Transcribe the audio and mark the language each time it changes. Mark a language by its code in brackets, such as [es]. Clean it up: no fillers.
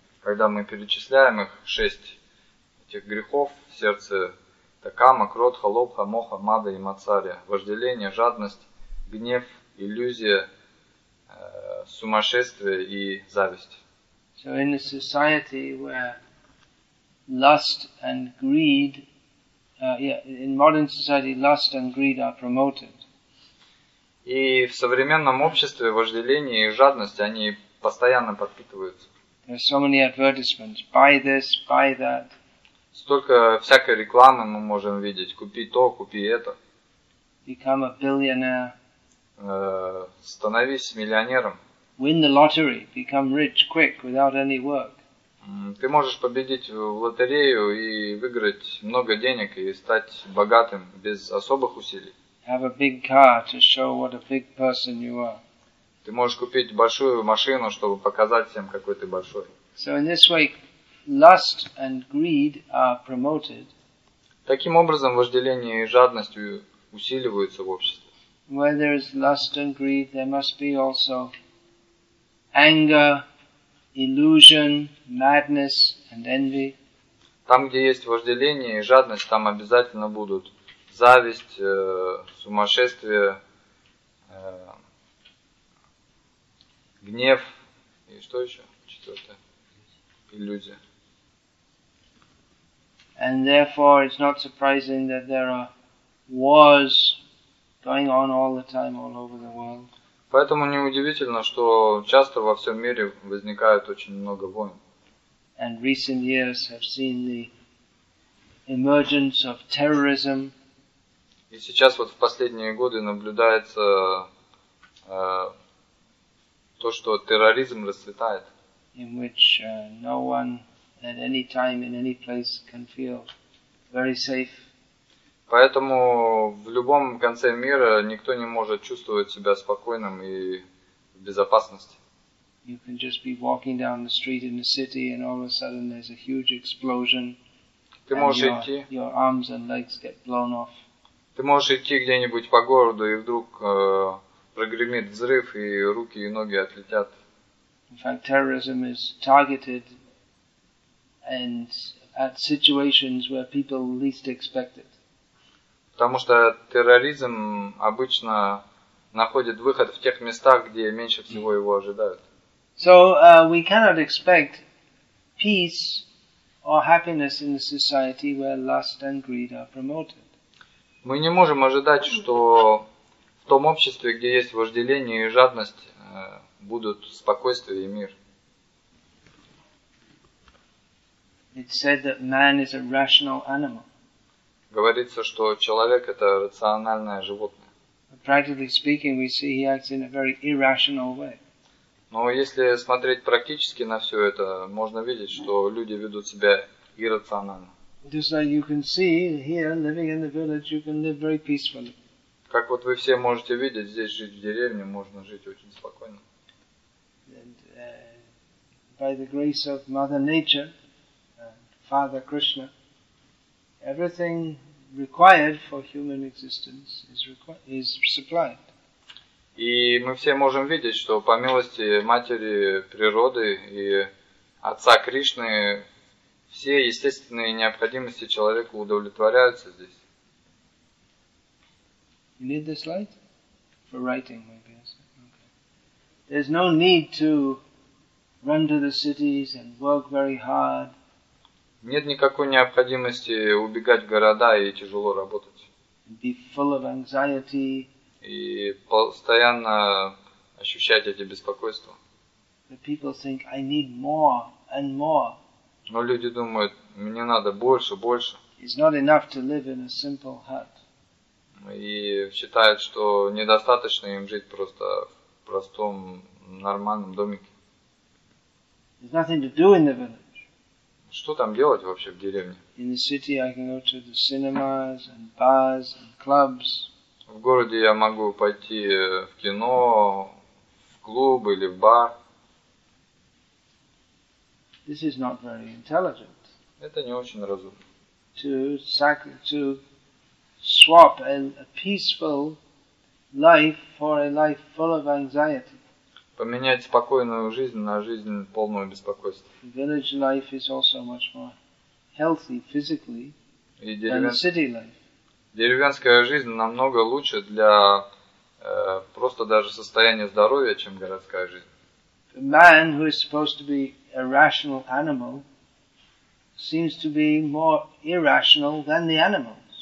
[ru] Когда мы перечисляем их, шесть этих грехов в сердце, это кама, кродха, лобха, моха, мада и мацария, вожделение, жадность, гнев, иллюзия, сумасшествие и зависть. [en] So in a society where lust and greed, in modern society lust and greed are promoted. [ru] И в современном обществе вожделение и жадность, они постоянно подпитываются. [en] There are so many advertisements. Buy this, buy that. [ru] Столько всякой рекламы мы можем видеть. Купи то, купи это. [en] Become a billionaire. [ru] Становись миллионером. [en] Win the lottery. Become rich quick without any work. [ru] Ты можешь победить в лотерею и выиграть много денег и стать богатым без особых усилий. [en] Have a big car to show what a big person you are. [ru] Ты можешь купить большую машину, чтобы показать всем, какой ты большой. [en] So in this way, lust and greed are promoted. [ru] Таким образом, вожделение и жадность усиливаются в обществе. [en] Where there is lust and greed, there must be also anger, illusion, madness and envy. [ru] Там, где есть вожделение и жадность, там обязательно будут зависть, сумасшествие, гнев. И что еще? Четвертое. Иллюзия. [en] And therefore it's not surprising that there are wars going on all the time all over the world. [ru] Поэтому неудивительно, что часто во всем мире возникает очень много войн. [en] And recent years have seen the emergence of terrorism. [ru] И сейчас вот в последние годы наблюдается то, что терроризм расцветает. [en] In which no one at any time in any place can feel very safe. [ru] Поэтому в любом конце мира никто не может чувствовать себя спокойным и в безопасности. [en] You can just be walking down the street in the city and all of a sudden there's a huge explosion. [ru] Ты можешь идти. [en] Your arms and legs get blown off. [ru] Ты можешь идти где-нибудь по городу, и вдруг прогремит взрыв, и руки и ноги отлетят. [en] In fact, terrorism is targeted and at situations where people least expect it. [ru] Потому что терроризм обычно находит выход в тех местах, где меньше всего его ожидают. [en] So we cannot expect peace or happiness in a society where lust and greed are promoted. [ru] Мы не можем ожидать, что в том обществе, где есть вожделение и жадность, будут спокойствие и мир. [en] It's said that man is a rational animal. [ru] Говорится, что человек — это рациональное животное. [en] But practically speaking, we see he acts in a very irrational way. [ru] Но если смотреть практически на все это, можно видеть, что люди ведут себя иррационально. [en] Just like you can see here, living in the village, you can live very peacefully. [ru] Как вот вы все можете видеть, здесь жить в деревне можно жить очень спокойно. [en] And, by the grace of Mother Nature, Father Krishna, everything required for human existence is supplied. [ru] И мы все можем видеть, что по милости Матери Природы и Отца Кришны все естественные необходимости человеку удовлетворяются здесь. [en] You need this light? For writing, maybe. Okay. There's no need to run to the cities and work very hard. [ru] Нет никакой необходимости убегать в города и тяжело работать. [en] Be full of anxiety. [ru] И постоянно ощущать эти беспокойства. [en] But people think, I need more and more. [ru] Но люди думают, мне надо больше, больше. [en] It's not enough to live in a simple hut. [ru] И считают, что недостаточно им жить просто в простом, нормальном домике. [en] There's nothing to do in the village. [ru] Что там делать вообще в деревне? [en] In the city I can go to the cinemas and bars and clubs. [ru] В городе я могу пойти в кино, в клуб или в бар. [en] This is not very intelligent. [ru] Это не очень разумно. [en] To swap a peaceful life for a life full of anxiety. [ru] Поменять спокойную жизнь на жизнь полную беспокойства. [en] Village life is also much more healthy physically than city life. [ru] Деревенская жизнь намного лучше для просто даже состояния здоровья, чем городская жизнь. [en] Man who is supposed to be a rational animal seems to be more irrational than the animals.